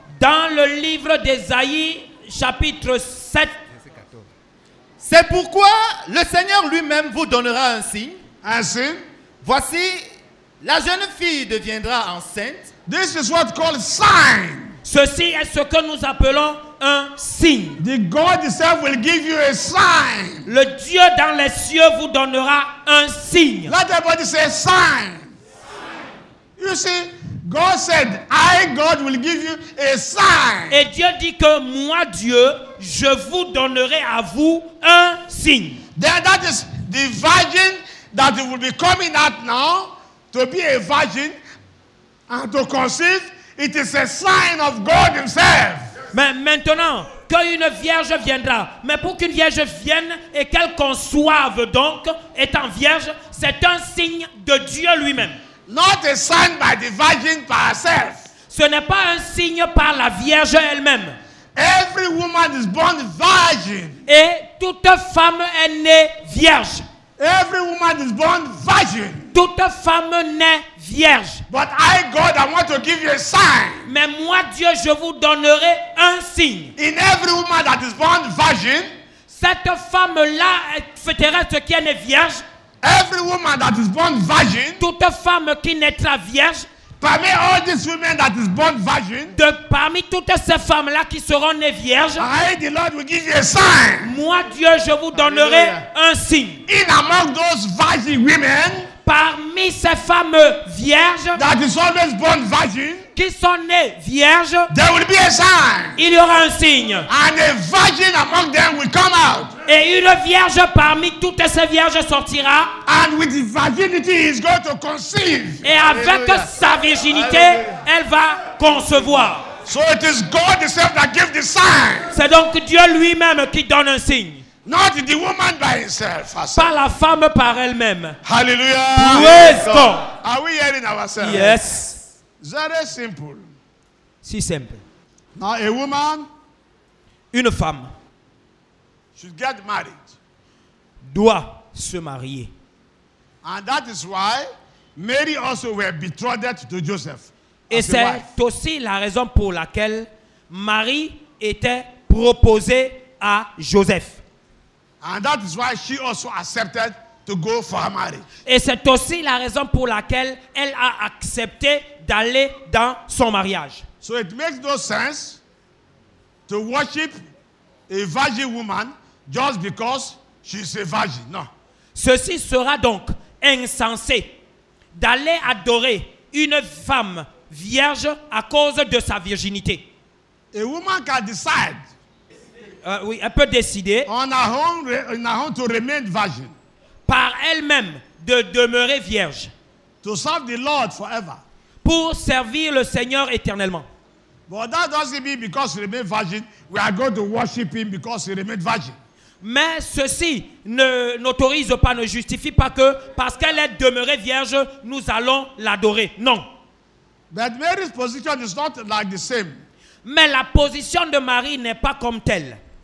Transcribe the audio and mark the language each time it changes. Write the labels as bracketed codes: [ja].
[fr] Dans le livre d'Ésaïe chapitre 7. C'est pourquoi le Seigneur lui-même vous donnera un signe. Un signe. Voici, la jeune fille deviendra enceinte. [en] This is what called sign. [fr] Ceci est ce que nous appelons un signe. [en] The God himself will give you a sign. [fr] Le Dieu dans les cieux vous donnera un signe. [en] Let everybody say sign. You see, God said, I, God, will give you a sign. [fr] Et Dieu dit que moi, Dieu, je vous donnerai à vous un signe. [en] Then that is the virgin that will be coming out now to be a virgin and to conceive. It is a sign of God Himself. [fr] Mais maintenant, qu'une vierge viendra, mais pour qu'une vierge vienne et qu'elle conçoive donc, étant vierge, c'est un signe de Dieu lui-même. [en] Not a sign by the virgin by herself. [fr] Ce n'est pas un signe par la vierge elle-même. [en] Every woman is born virgin. [fr] Et toute femme est née vierge. [en] Every woman is born virgin. [fr] Toute femme naît vierge. [en] But I, God, I want to give you a sign. [fr] Mais moi, Dieu, je vous donnerai un signe. [en] In every woman that is born virgin, [fr] cette femme-là fêtera ce qui est née vierge. [en] Every woman that is born virgin, [fr] toute femme qui naîtra vierge, parmi [en] all these women that is born virgin, [fr] de parmi toutes ces femmes-là qui seront nées vierges, [en] I, the Lord, will give you a sign. [fr] Moi, Dieu, je vous donnerai un signe. [en] In among those virgin women, [fr] parmi ces femmes vierges, [en] that is always born virgin, [fr] qui sont nées vierges, [en] there will be a sign. [fr] Il y aura un signe. [en] And a virgin among them will come out. [fr] Et une vierge parmi toutes ces vierges sortira. [en] And with the virginity is going to conceive. [fr] Et avec sa virginité, elle va concevoir. [en] So it is God himself that gives the sign. [fr] C'est donc Dieu lui-même qui donne un signe. [en] Not the woman by herself. [fr] Pas la femme par elle-même. [en] Hallelujah. Praise God. Are we hearing ourselves? Yes. Very simple. [fr] Si simple. [en] Now a woman. [fr] Une femme. [en] Should get married. [fr] Doit se marier. [en] And that is why Mary also were betrothed to Joseph. [fr] Et c'est aussi la raison pour laquelle Marie était proposée à Joseph. [en] And that is why she also accepted to go for her marriage. [fr] Et c'est aussi la raison pour laquelle elle a accepté d'aller dans son mariage. [en] So it makes no sense to worship a virgin woman just because she's a virgin. No. [fr] Ceci sera donc insensé d'aller adorer une femme vierge à cause de sa virginité. [en] A woman can decide. [fr] Oui, elle peut décider [en] on a home to remain virgin. [fr] Par elle-même de demeurer vierge. [en] To serve the Lord forever. [fr] Pour servir le Seigneur éternellement. [en] But that doesn't mean because he remained virgin, we are going to worship him because he remained virgin. [fr] Mais ceci n'autorise pas, ne justifie pas que parce qu'elle est demeurée vierge, nous allons l'adorer. Non. [en] But Mary's position is not like the same. [fr] Mais la position de Marie n'est pas comme telle.